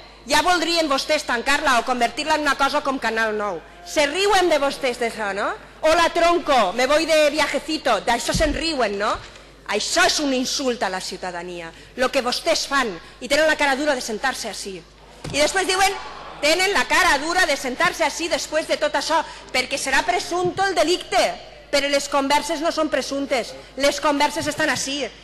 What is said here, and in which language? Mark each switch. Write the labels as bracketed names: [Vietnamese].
[Catalan] Ja voldrien vostès tancar-la o convertir-la en una cosa com Canal 9. Se riuen de vostès d'això, no? [Spanish] Hola, tronco, me voy de viajecito. [Catalan] D'això se'n riuen, no? Això és un insult a la ciutadania, lo que vostès fan, i tenen la cara dura de sentar-se així. I després diuen... Tenen la cara dura de sentar-se així després de tot això, perquè serà presumpte el delicte. Però les converses no són presumptes, les converses estan així.